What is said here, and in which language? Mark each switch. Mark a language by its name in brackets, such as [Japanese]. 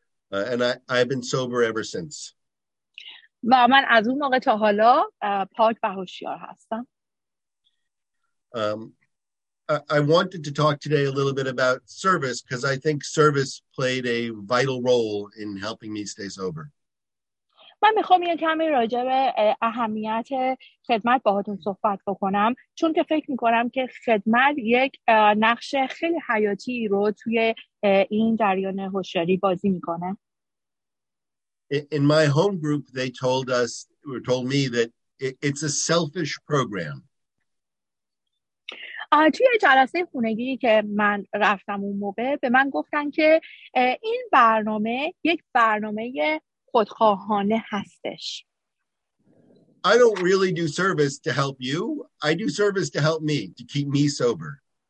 [English] And I've been sober ever since. [Persian] و من از اون موقع تا حالا پاک و هوشیار هستم. [English] I wanted to talk today a little bit about service because I think service played a vital role in helping me stay sober. [Persian] من میخوام یه کمی راجع به اهمیت خدمت باهاتون صحبت بکنم، چون که فکر میکنم که خدمت یک نقش خیلی حیاتی رو توی این جریان هوشیاری بازی میکنه. [English] In my home group, they told us or told me that it's a selfish program. [Persian] توی جلسه خونگی که من رفتم اون موقع به من گفتن که این برنامه یک برنامه خودخواهانه هستش. [English] I don't really do service to help you. I do service to help me, to keep me sober.